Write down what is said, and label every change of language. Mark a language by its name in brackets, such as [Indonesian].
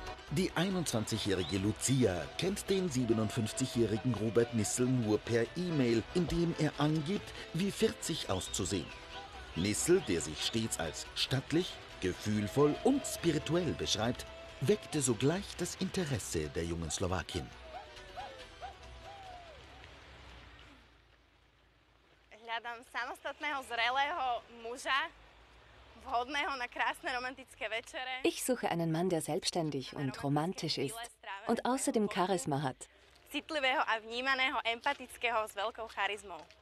[German] Die 21-jährige Lucia kennt den 57-jährigen Robert Nissel nur per E-Mail, indem er angibt, wie 40 auszusehen. Nissel, der sich stets als stattlich, gefühlvoll und spirituell beschreibt, weckte sogleich das Interesse der jungen Slowakin. [Slovak] Hľadám samostatného zrelého muža, vhodného na krásne romantické večere. [German] Ich suche einen Mann, der selbstständig und romantisch ist und außerdem Charisma hat. [Slovak] Citlivého a vnímaného, empatického s veľkou charizmou.